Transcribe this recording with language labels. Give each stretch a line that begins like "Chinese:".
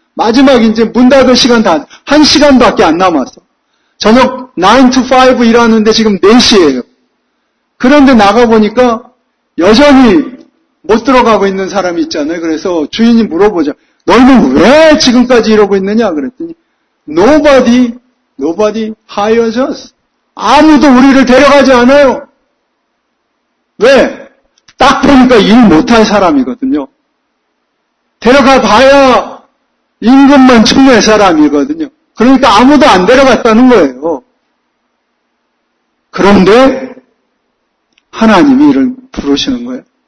Korean: 마지막 이제 문 닫을 시간 다 한 시간밖에 안 남았어. 저녁
English: 9 to 5
Korean: 일하는데 지금 4시예요. 그런데 나가보니까 여전히 못 들어가고 있는 사람이 있잖아요. 그래서 주인이 물어보죠. 너희는 왜 지금까지 이러고 있느냐? 그랬더니
English: Nobody hires us.
Korean: 아무도 우리를 데려가지 않아요. 왜? 딱 보니까 일 못할 사람이거든요. 데려가 봐야 임금만 청할 사람이거든요. 그러니까 아무도 안 데려갔다는 거예요. 그런데 하나님이 이를 부르시는 거예요.